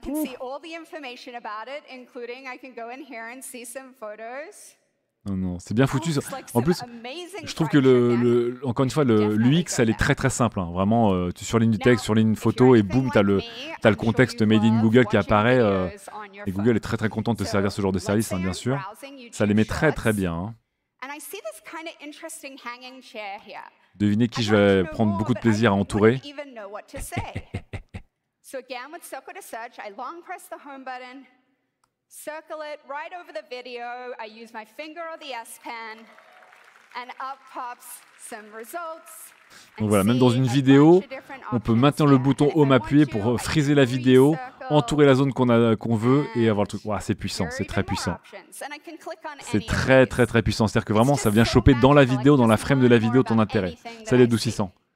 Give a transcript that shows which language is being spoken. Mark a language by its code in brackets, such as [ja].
[en] And I can see all the information about it, including I can go in here and see some photos. [fr] Non, c'est bien foutu. En plus, je trouve que le encore une fois, l'UX, elle est très très simple. Hein. Vraiment, tu surlignes du texte, surlignes une photo et boum, t'as le contexte made in Google qui apparaît. Et Google est très très content de te servir ce genre de service, hein, bien sûr. Ça les met très très bien. Hein. Devinez qui je vais prendre beaucoup de plaisir à entourer. [en] Circle it right over the video. I use my finger or the S Pen, and up pops some results. [fr] Donc voilà, même dans une vidéo, on peut maintenir le bouton Home appuyé pour friser la vidéo, entourer la zone qu'on veut et avoir le truc. Waouh, c'est puissant, c'est très puissant. C'est très très très puissant. C'est-à-dire que vraiment, ça vient choper dans la vidéo, dans la frame de la vidéo, ton intérêt. Ça l'est adoucissant.